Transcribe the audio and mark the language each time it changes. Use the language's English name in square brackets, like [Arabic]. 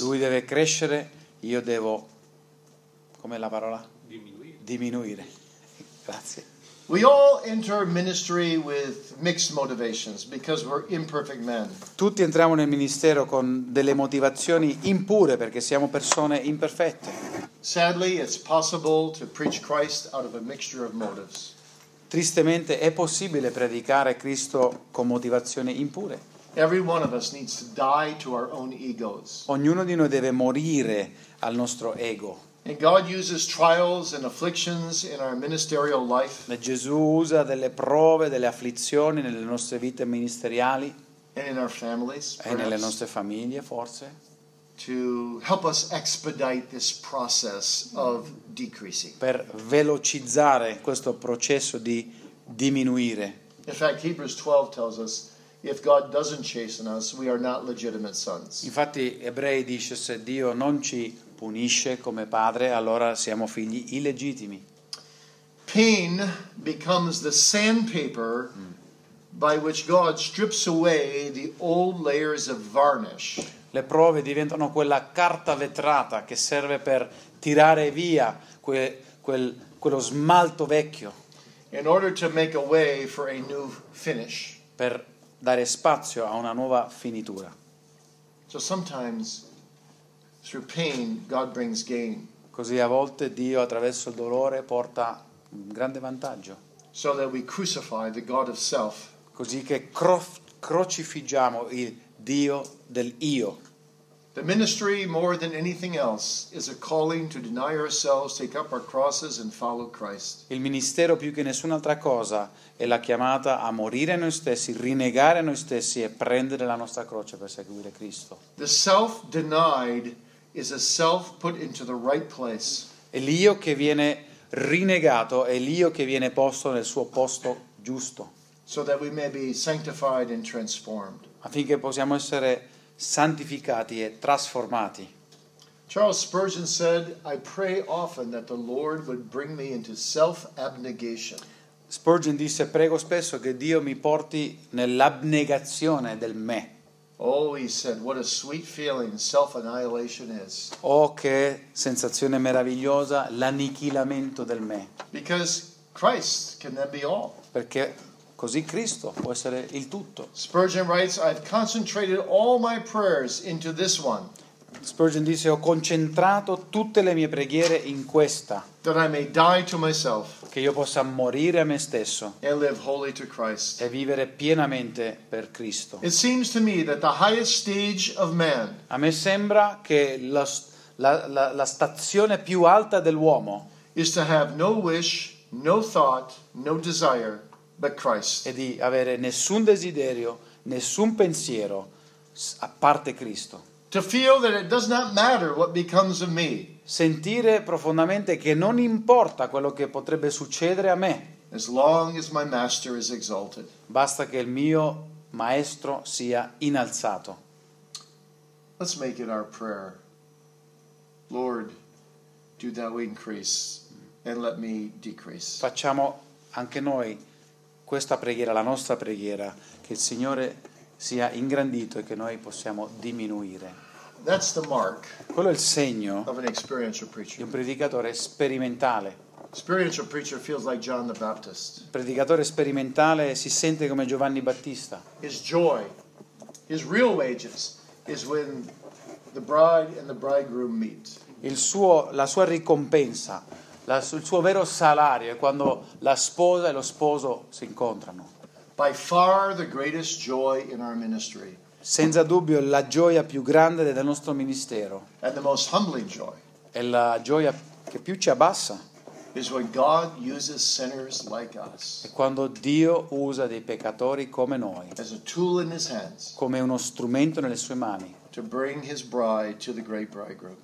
[Italian] Lui deve crescere, io devo, com'è la parola? Diminuire. Diminuire. Grazie. [English] We all enter ministry with mixed motivations because we're imperfect men. [Italian] Tutti entriamo nel ministero con delle motivazioni impure perché siamo persone imperfette. [English] Sadly, it's possible to preach Christ out of a mixture of motives. [Italian] Tristemente è possibile predicare Cristo con motivazioni impure. [English] Every one of us needs to die to our own egos. [Italian] Ognuno di noi deve morire al nostro ego. [English] And God uses trials and afflictions in our ministerial life. [Italian] E Gesù usa delle prove, delle afflizioni nelle nostre vite ministeriali. [English] And in our families. [Italian] E nelle nostre famiglie, forse. [English] To help us expedite this process of decreasing. [Italian] Per velocizzare questo processo di diminuire. [English] In fact, Hebrews 12 tells us, if God doesn't chasten us, we are not legitimate sons. [Italian] Infatti, Ebrei dice, se Dio non ci punisce come padre, allora siamo figli illegittimi. [English] Pain becomes the sandpaper by which God strips away the old layers of varnish. [Italian] Le prove diventano quella carta vetrata che serve per tirare via quello smalto vecchio. [English] In order to make a way for a new finish. [Italian] Per dare spazio a una nuova finitura. [English] So sometimes through pain God brings gain. [Italian] Così a volte Dio attraverso il dolore porta un grande vantaggio. [English] So that we crucify the God of self. [Italian] Così che crocifiggiamo il Dio del io. [English] The ministry more than anything else is a calling to deny ourselves, take up our crosses and follow Christ. [Italian] Il ministero più che nessun'altra cosa è la chiamata a morire noi stessi, rinnegare noi stessi e prendere la nostra croce per seguire Cristo. [English] The self denied is a self put into the right place. [Italian] E l'io che viene rinnegato è l'io che viene posto nel suo posto giusto. [English] So that we may be sanctified and transformed. [Italian] Affinché possiamo essere santificati e trasformati. [English] Charles Spurgeon said, I pray often that the Lord would bring me into self-abnegation. [Italian] Spurgeon disse, prego spesso che Dio mi porti nell'abnegazione del me. [English] Oh, he said, what a sweet feeling self-annihilation is. [Italian] Oh, che sensazione meravigliosa l'annichilamento del me. [English] Because Christ can then be all. [Italian] Perché Così Cristo può essere il tutto. [English] Spurgeon writes, I've concentrated all my prayers into this one. [Italian] Spurgeon dice, ho concentrato tutte le mie preghiere in questa. [English] That I may die to myself. [Italian] Che io possa morire a me stesso. [English] And live wholly to Christ. [Italian] E vivere pienamente per Cristo. [English] It seems to me that the highest stage of man. [Italian] A me sembra che la stazione più alta dell'uomo. [English] Is to have no wish, no thought, no desire. But Christ. [Italian] E di avere nessun desiderio, nessun pensiero a parte Cristo. [English] To feel that it does not matter what becomes of me. [Italian] Sentire profondamente che non importa quello che potrebbe succedere a me. [English] As long as my master is exalted. [Italian] Basta che il mio maestro sia innalzato. [English] Let's make it our prayer. Lord, do thou increase and let me decrease. [Italian] Facciamo anche noi questa preghiera, la nostra preghiera, che il Signore sia ingrandito e che noi possiamo diminuire. [English] That's the mark. [Italian] Quello è il segno [English] of an experiential preacher. [Italian] Di un predicatore sperimentale. [English] Experiential preacher feels like John the Baptist. [Italian] Il predicatore sperimentale si sente come Giovanni Battista. [English] His joy, his real wages, is when the bride and the bridegroom meet. [Italian] La sua ricompensa. Il suo vero salario è quando la sposa e lo sposo si incontrano. [English] By far the greatest joy in our ministry. [Italian] Senza dubbio la gioia più grande del nostro ministero. [English] And the most humbling joy. [Italian] È la gioia che più ci abbassa. [English] Is when God uses sinners like us. [Italian] È quando Dio usa dei peccatori come noi. [English] As a tool in his hands. [Italian] Come uno strumento nelle sue mani. [English] To bring his bride to the great bridegroom.